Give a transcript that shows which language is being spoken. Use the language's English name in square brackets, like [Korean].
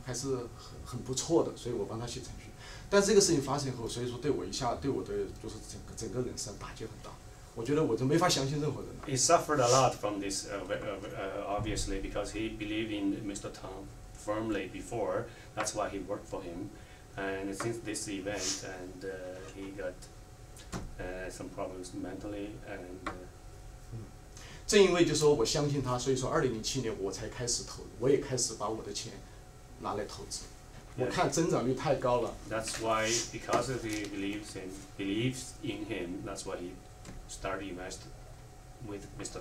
[Chinese] 更了解的，你可以提供给我们的关于你今天这个面试有没有就是关于你身体上的或者精神上的有没有我们需要知道的。这个事情对我精神打击很大，因为我从来不干违法的事情，我从来非很守法的。那么而且我一直相信唐伟珍，所以说我才帮他写程序。 [English] He suffered a lot from this, obviously, because he believed in Mr. Tang firmly before. That's why he worked for him. And since this event, and he got some problems mentally. And [Chinese] 正因为就是说我相信他，所以说2007年我才开始投，我也开始把我的钱拿来投资。我看增长率太高了。 [English] That's why, because he believes in him, that's why he started invest with Mr.